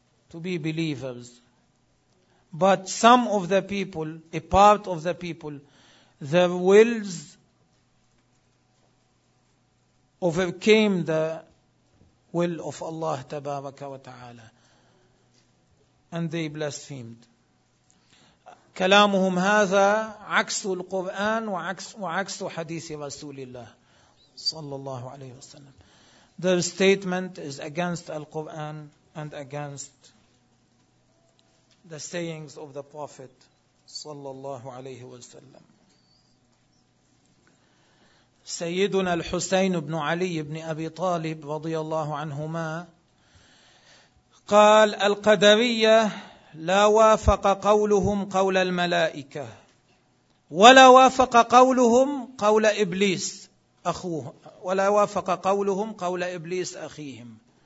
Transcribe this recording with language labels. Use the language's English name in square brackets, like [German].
[English] to be believers. But some of the people, a part of the people, their wills overcame the will of Allah tabaraka wa ta'ala, and they blasphemed. [Arabic] كلامهم هذا عكس القرآن وعكس حديث رسول الله صلى الله عليه وسلم. [English] Their statement is against Al-Quran and against the sayings of the Prophet [Arabic] صلى الله عليه وسلم. سيدنا الحسين بن علي بن أبي طالب رضي الله عنهما قال القدرية لا وافق قولهم قول الملائكة ولا وافق قولهم قول إبليس أخوه ولا وافق قولهم قول إبليس أخيهم.